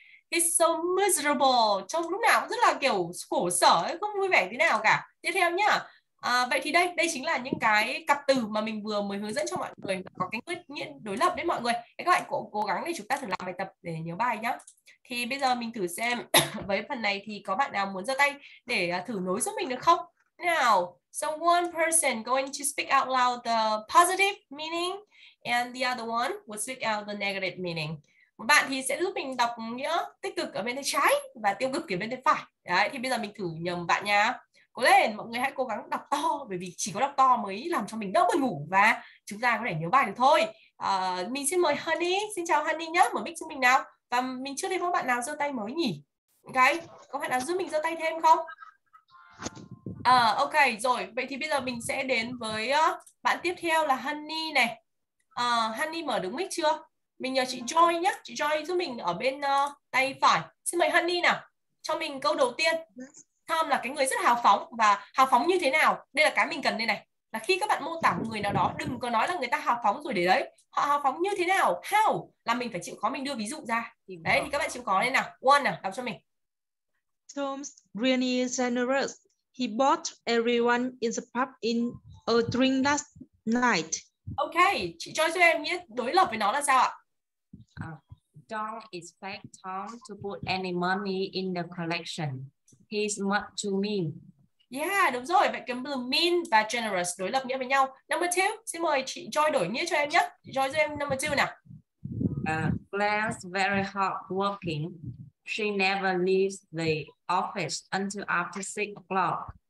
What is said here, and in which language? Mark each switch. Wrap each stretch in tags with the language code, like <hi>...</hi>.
<en>He's so miserable.</en> <vi>Trong lúc nào cũng rất là kiểu khổ sở, không vui vẻ thế nào cả. Tiếp theo nhá. Vậy thì đây chính là những cái cặp từ mà mình vừa mới hướng dẫn cho mọi người. Có cái nghĩa đối lập đấy mọi người. Các bạn cố gắng để chúng ta thử làm bài tập để nhớ bài nhá. Thì bây giờ mình thử xem với phần này thì có bạn nào muốn giơ tay để thử nối giúp mình được không?</vi> <en>Now, so one person going to speak out loud the positive meaning and the other one will speak out the negative meaning.</en> <vi>Bạn thì sẽ giúp mình đọc nghĩa tích cực ở bên tay trái và tiêu cực ở bên tay phải. Đấy, thì bây giờ mình thử nhầm bạn nha. Cố lên, mọi người hãy cố gắng đọc to bởi vì chỉ có đọc to mới làm cho mình đỡ buồn ngủ và chúng ta có thể nhớ bài được thôi. Mình xin mời Honey, xin chào Honey nhé, mở mic cho mình nào. Và mình chưa thấy có bạn nào giơ tay mới nhỉ? Ok, có bạn nào giúp mình giơ tay thêm không? Ok, rồi, vậy thì bây giờ mình sẽ đến với bạn tiếp theo là Honey này. Honey mở được mic chưa? Mình nhờ chị Joy nhé, chị Joy giúp mình ở bên tay phải. Xin mời Honey nào, cho mình câu đầu tiên. Tom là cái người rất hào phóng và hào phóng như thế nào? Đây là cái mình cần đây này. Là khi các bạn mô tả một người nào đó, đừng có nói là người ta hào phóng rồi để đấy. Họ hào phóng như thế nào? How? Là mình phải chịu khó mình đưa ví dụ ra. Đấy, thì các bạn chịu khó đây nào. One nào, đọc cho mình.</vi> <en>Tom's really generous. He bought everyone in the pub in a drink last night.</en> <vi>Ok, chị Joy cho em nghĩa đối lập với nó là sao ạ?</vi> <en>Don't expect Tom to put any money in the collection. He's much too mean.</en> <vi>Yeah, đúng rồi. Vậy cái mean và generous đối lập nghĩa với nhau.</vi> <en>Number two,</en> <vi>xin mời chị Joy đổi nghĩa cho em nhé. Chị Joy cho em</vi> <en>number two</en> <vi>nào.</vi> <en>Glenn's very hard working. She never leaves the office until after 6 o'clock.</en>